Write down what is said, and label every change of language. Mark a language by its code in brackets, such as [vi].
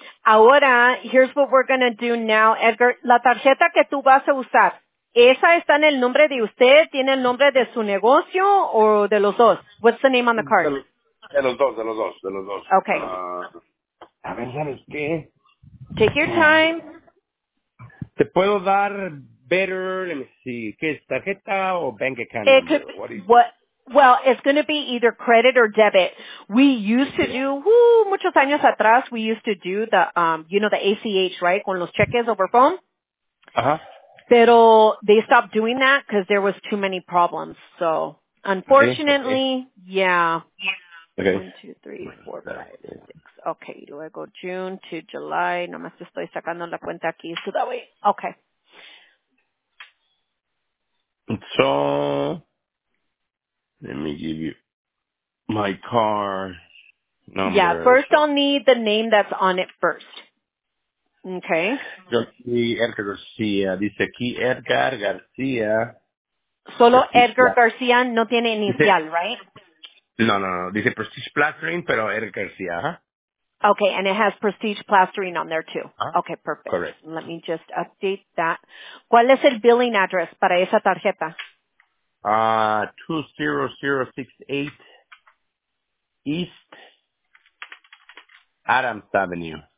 [es] Ahora, [en] here's what we're going to do now, Edgar. [es] La tarjeta que tú vas a usar, ¿esa está en el nombre de usted? ¿Tiene el nombre de su negocio o de los dos? [en] What's the name on the card? [es] De los dos. [en] Okay. [es] A ver, ¿sabes qué? [en] Take your time. [es] ¿Te puedo dar [en] better, let me see, [es] qué es, tarjeta o bank account? [en] Well, it's going to be either credit or debit. We used to do, [es] muchos años atrás, [en] we used to do the, you know, the ACH, right, [es] con los cheques [en] over phone. [es] Pero [en] they stopped doing that because there was too many problems. So, unfortunately, yeah. Okay. 1, 2, 3, 4, 5, 6. Okay, [es] luego [en] June to July. [es] Nomás estoy sacando la cuenta aquí. [en] So that way, okay. So, let me give you my car number. Yeah, first I'll need the name that's on it first. Okay. [es] Edgar Garcia. Dice aquí Edgar Garcia. Solo Garcia. Edgar Garcia no tiene inicial, [en] right? [es] No. Dice Prestige Plastering, pero Eric García, [en] Okay, and it has Prestige Plastering on there, too. Uh-huh. Okay, perfect. Correct. Let me just update that. [es] ¿Cuál es el billing address para esa tarjeta? [en] 20068 East Adams Avenue.